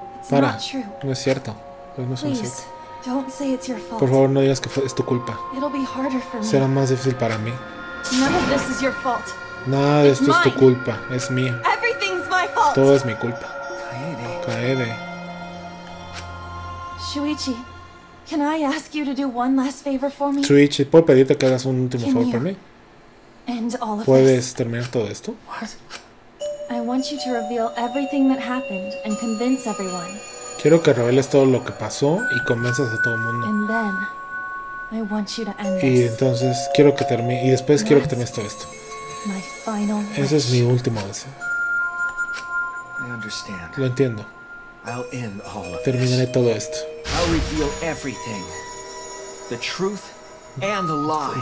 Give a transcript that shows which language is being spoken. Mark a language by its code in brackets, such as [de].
[es] Para, no es cierto. No es cierto. Por favor, no digas que es tu culpa. Será más difícil para mí. Nada de esto es tu culpa, es mía. Todo es mi culpa. Kaede. [en] Shuichi, can I ask you to do one last favor for me? [es] Shuichi, ¿puedo pedirte que hagas un último favor por mí? [en] End all of [es] ¿Puedes [en] this? [es] Terminar todo esto? [en] I want you to reveal everything that happened and convince everyone. [es] Quiero que reveles todo lo que pasó y convenzas a todo el mundo. [en] And then, I want you to end [es] y entonces [en] this. [es] Quiero que termine y después That's quiero que termines todo esto. [en] My final [es] Ese es mi último deseo. [en] I understand. [es] Lo entiendo. [en] I'll end all of [es] Terminaré [en] this. [es] Todo esto. [en] I'll reveal everything. The truth and the lies.